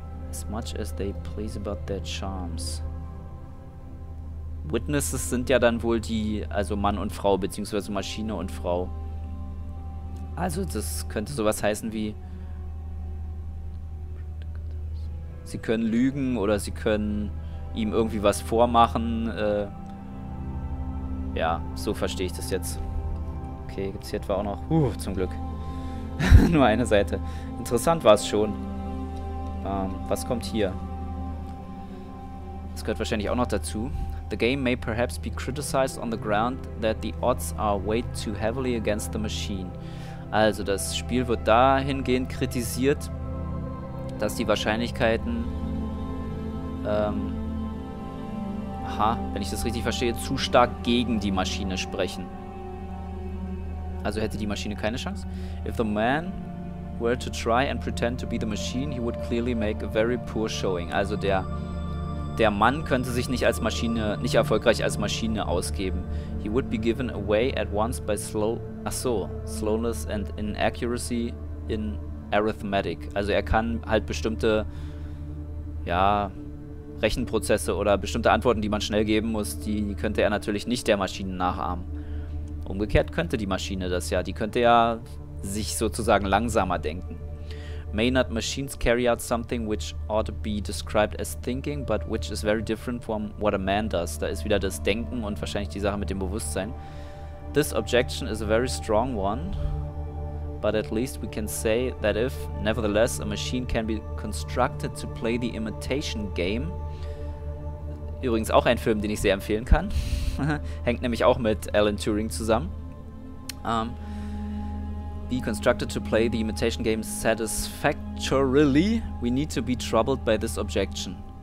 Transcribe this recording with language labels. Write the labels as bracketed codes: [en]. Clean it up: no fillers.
[en] As much as they please about their charms. [de] Witnesses sind ja dann wohl die, also Mann und Frau, beziehungsweise Maschine und Frau. Also das könnte sowas heißen wie, sie können lügen oder sie können ihm irgendwie was vormachen. Ja, so verstehe ich das jetzt. Okay, gibt's hier etwa auch noch? Zum Glück. Nur eine Seite. Interessant war es schon. Was kommt hier? Das gehört wahrscheinlich auch noch dazu. [en] The game may perhaps be criticized on the ground that the odds are weighed too heavily against the machine. [de] Also das Spiel wird dahingehend kritisiert, dass die Wahrscheinlichkeiten, wenn ich das richtig verstehe, zu stark gegen die Maschine sprechen. Also hätte die Maschine keine Chance? [en] If the man were to try and pretend to be the machine, he would clearly make a very poor showing. [de] Also der Mann könnte sich nicht erfolgreich als Maschine ausgeben. [en] He would be given away at once by slowness and inaccuracy in arithmetic. [de] Also er kann halt bestimmte, ja, Rechenprozesse oder bestimmte Antworten, die man schnell geben muss, die könnte er natürlich nicht der Maschine nachahmen. Umgekehrt könnte die Maschine das ja. Die könnte ja sich sozusagen langsamer denken. [en] May not machines carry out something which ought to be described as thinking, but which is very different from what a man does. [de] Da ist wieder das Denken und wahrscheinlich die Sache mit dem Bewusstsein. [en] This objection is a very strong one, but at least we can say that if, nevertheless, a machine can be constructed to play the imitation game. [de] Übrigens auch ein Film, den ich sehr empfehlen kann. Hängt nämlich auch mit Alan Turing zusammen. [en] Be constructed to play the imitation game satisfactorily, we need to be troubled by this objection.